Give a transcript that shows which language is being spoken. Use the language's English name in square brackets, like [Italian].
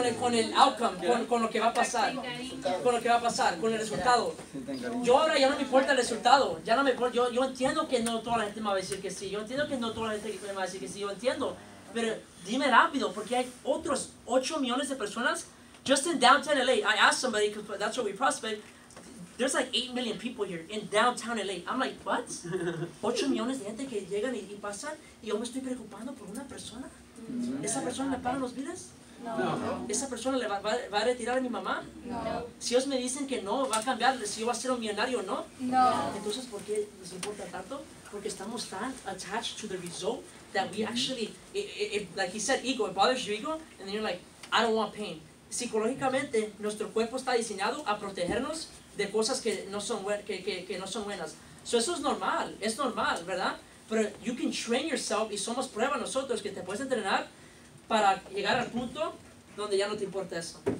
[Spanish] Con el outcome, con lo que va a pasar. Con lo que va a pasar, con el resultado. Yo ahora ya no me importa el resultado. Ya no me importa. Yo entiendo que no toda la gente me va a decir que sí. Yo entiendo que no toda la gente me va a decir que sí. Yo entiendo. Pero dime rápido, porque hay otros 8 millones de personas. [English] Just in downtown LA, I asked somebody, because that's where we prospect. There's like 8 million people here in downtown LA. I'm like, what? [Spanish] 8 millones de gente que llegan y pasan, y yo me estoy preocupando por una persona. ¿Esa persona me paga los bills? No. ¿Esa persona le va a retirar a mi mamá? No. Si ellos me dicen que no, va a cambiar, si yo voy a ser un millonario o no. No. Entonces, ¿por qué nos importa tanto? Porque estamos tan attached to the result. [English] That we actually, like he said, ego, it bothers your ego, and then you're like, I don't want pain. [Spanish] Psicológicamente, nuestro cuerpo está diseñado a protegernos de cosas que no son, que no son buenas. So eso es normal, ¿verdad? Pero you can train yourself, y somos prueba nosotros, que te puedes entrenar para llegar al punto donde ya no te importa eso.